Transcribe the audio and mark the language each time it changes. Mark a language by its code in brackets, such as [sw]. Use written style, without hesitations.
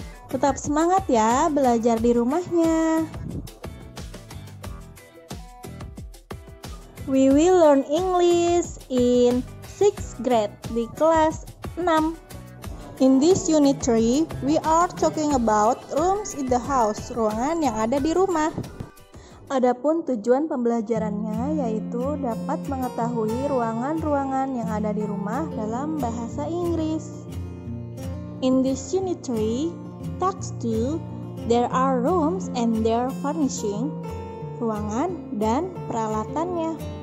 [id] Tetap semangat ya belajar di rumahnya. [en] We will learn English in 6th grade, [id] di kelas 6. [en] In this unit 3, we are talking about rooms in the house, [id] ruangan yang ada di rumah. Adapun tujuan pembelajarannya yaitu dapat mengetahui ruangan-ruangan yang ada di rumah dalam bahasa Inggris. [en] In this unit 3, talks to there are rooms and their furnishing, [id] ruangan dan peralatannya.